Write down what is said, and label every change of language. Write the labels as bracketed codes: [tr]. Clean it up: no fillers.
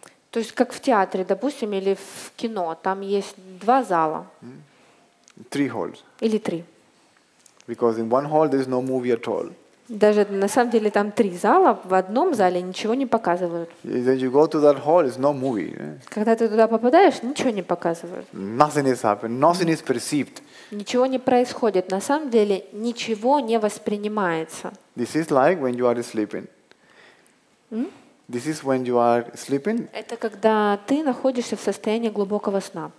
[ru] То есть как в театре, допустим, или в кино, там есть два зала. [en] Three halls. [ru] Или три. [en] Because in one hall there's no movie at all. [ru] Даже на самом деле там три зала, в одном зале ничего не показывают. [en] Then you go to that hall, it's no movie. [ru] Когда ты туда попадаешь, ничего не показывают. [en] Nothing is happening, nothing is perceived. [ru] Ничего не происходит, на самом деле ничего не воспринимается. [en] This is like when you are sleeping. This is when you are sleeping. [ru] Это когда ты находишься в состоянии глубокого сна.